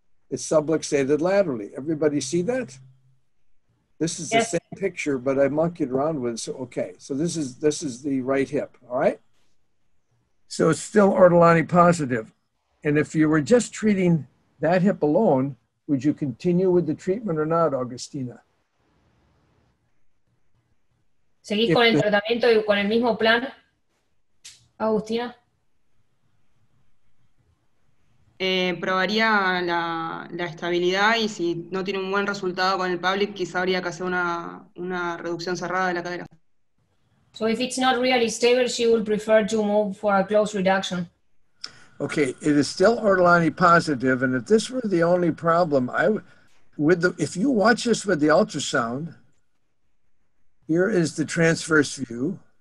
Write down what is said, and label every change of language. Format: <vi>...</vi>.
<en>It's subluxated laterally. Everybody see that? This is the same picture, but I monkeyed around with it. So, okay, so this is the right hip, all right? So it's still Ortolani positive. And if you were just treating that hip alone, would you continue with the treatment or not, Augustina?</en> <es>¿Seguís con el tratamiento y con el mismo plan, Agustina? Probaría la estabilidad y si no tiene un buen resultado con el pelvic, quizá habría que hacer una reducción cerrada de la cadera.</es> <en>So if it's not really stable, she would prefer to move for a close reduction. Okay, it is still Ortolani positive, and if this were the only problem, if you watch this with the ultrasound, here is the transverse view.</en>